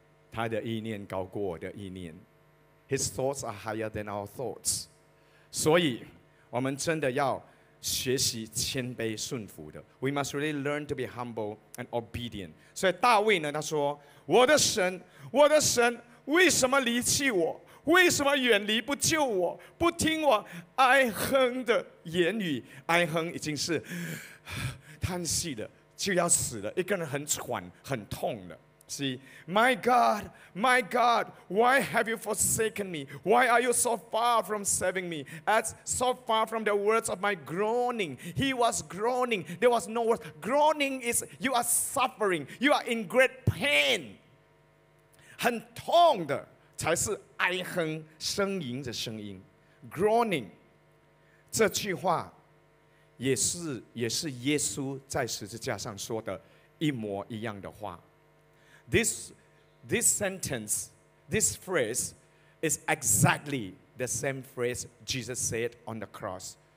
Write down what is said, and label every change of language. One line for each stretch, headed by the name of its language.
Chinese: 他的意念高过我的意念。
English: His thoughts are higher than our thoughts.
Chinese: 所以我们真的要学习谦卑顺服的。
English: We must really learn to be humble and obedient.
Chinese: 所以大卫呢，他说，我的神，我的神，为什么离弃我？为什么远离不救我，不听我哀哼的言语？哀哼已经是叹息的，就要死了，一个人很喘很痛的。
English: See, My God, my God, why have you forsaken me? Why are you so far from saving me? As so far from the words of my groaning. He was groaning. There was no words. Groaning is you are suffering. You are in great pain.
Chinese: 很痛的才是哀哼呻吟的声音 groaning 这句话也是耶稣在十字架上说的一模一样的话。
English: This sentence, this phrase is exactly the same phrase Jesus said on the cross.